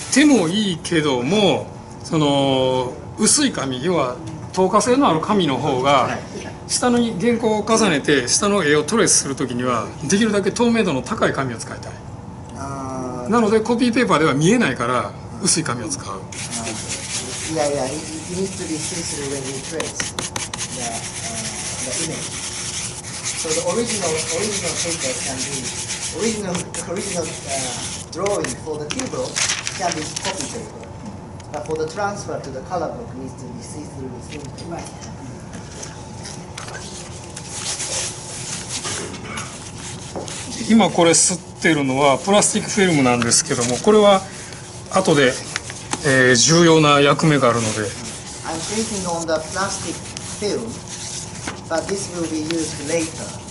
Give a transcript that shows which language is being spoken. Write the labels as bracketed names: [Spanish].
[Japanese] 使ってもいいけどもその薄い紙要は透過性のある紙の方が下の原稿を重ねて下の絵をトレースする時にはできるだけ透明度の高い紙を使いたい。あ、なのでコピーペーパーでは見えないから薄い紙を使う。 [English] Yeah, it needs to be seen through when you trace the image. So the original paper can be original drawing for the table can be copy paper, but for the transfer to the color book needs to be seen through the screen. Right. Mm-hmm. [Japanese] 今これ吸ってるのはプラスチックフィルムなんですけども、これは後で。重要な役目があるので。 [English] I'm thinking on the plastic film, but this will be used later.